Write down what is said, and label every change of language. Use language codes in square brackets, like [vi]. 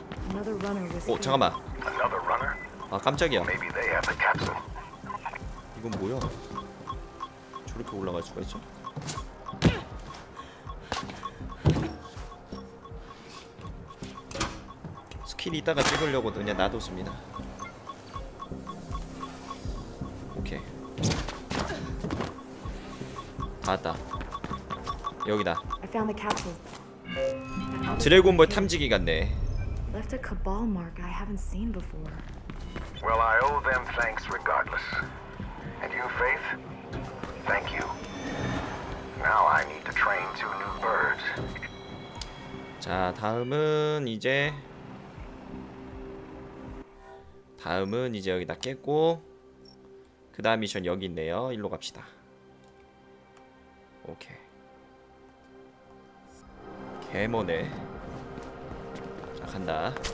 [en] Another runner was here. [ko] 오, 잠깐만. [en] Another runner? [ko] 아, 깜짝이야. [en] Maybe they have a capsule. [ko] 이건 뭐야? 저렇게 올라갈 수가 있어? 스킬 이따가 찍으려고 그냥 놔뒀습니다. 오케이. 봤다. 여기다. 드래곤볼 탐지기 같네. [en] Left a cabal mark I haven't seen before. Well, I owe them thanks regardless. And you, Faith? Thank you. Now I need to train two new birds. [ko] 자, 다음은 이제 다음은 이제 여기다 깼고 그 다음 미션 여기 있네요. 일로 갑시다. 오케이. 개머네. 자, 간다.